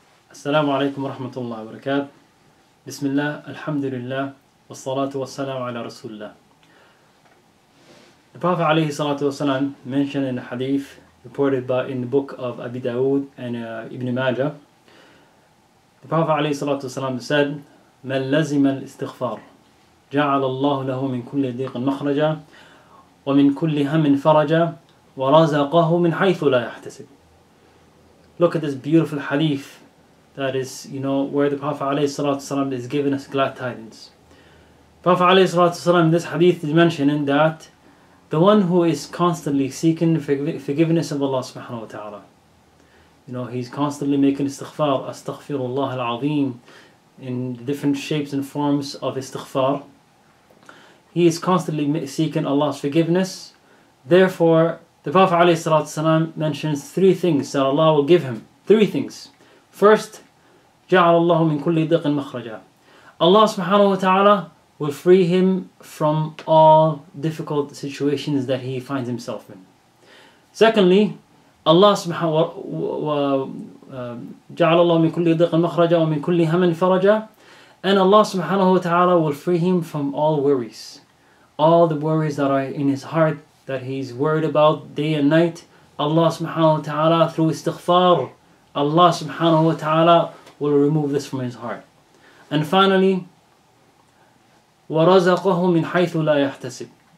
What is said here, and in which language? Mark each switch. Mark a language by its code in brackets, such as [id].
[ar] السلام عليكم ورحمة الله وبركاته. بسم الله، الحمد لله، والصلاة والسلام على رسول الله. [en] The Prophet عليه الصلاة والسلام mentioned in a hadith reported by in the book of Abi Dawood and Ibn Majah. The Prophet [ar] عليه الصلاة والسلام [en] said, [ar] "من لزم الاستغفار جعل الله له من كل ضيق مخرجا ومن كل هم فرجا ورزقه من حيث لا يحتسب." [en] Look at this beautiful hadith. That is, you know, where the Prophet ﷺ is giving us glad tidings. Prophet ﷺ, in this hadith, is mentioning that the one who is constantly seeking forgiveness of Allah subhanahu wa ta'ala, you know, he's constantly making istighfar, astaghfirullah al-azim, in different shapes and forms of istighfar. He is constantly seeking Allah's forgiveness. Therefore, the Prophet ﷺ mentions three things that Allah will give him. Three things. First, [ar] جعل الله من كل ضيق مخرجا. [en] Allah subhanahu wa ta'ala will free him from all difficult situations that he finds himself in. Secondly, Allah subhanahu [ar] جعل الله من كل ضيق مخرجا ومن كل هم فرجا. [en] And Allah subhanahu wa ta'ala will free him from all worries. All the worries that are in his heart that he's worried about day and night, Allah subhanahu wa ta'ala through istighfar, Allah subhanahu wa ta'ala will remove this from his heart. And finally, [ar] وَرَزَقَهُ مِنْ حَيْثُ لَا يَحْتَسِبْ.